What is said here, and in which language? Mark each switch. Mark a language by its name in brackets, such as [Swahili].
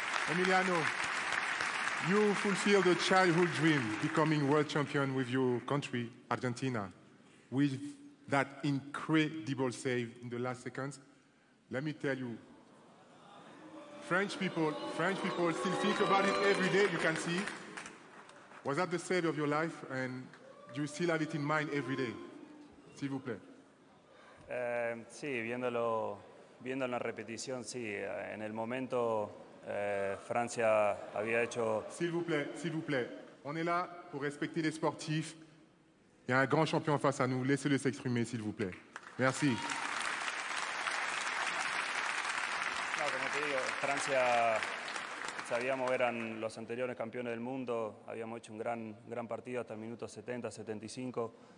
[English] Emiliano, you fulfilled a childhood dream, becoming world champion with your country, Argentina, with that incredible save in the last seconds. Let me tell you, French people still think about it every day, you can see. Was that the save of your life, and do you still have it in mind every day? [French] S'il vous plaît. [Spanish] Sí, viéndolo en la repetición, sí, en el momento. Francia había hecho. [French] S'il vous plaît, on est là pour respecter les sportifs. Il y a un grand champion face à nous. Laissez-le s'exprimer, s'il vous plaît. Merci. [Spanish] No, como te digo, Francia sabíamos eran los anteriores campeones del mundo. Habíamos hecho un gran partido hasta el minuto 70-75.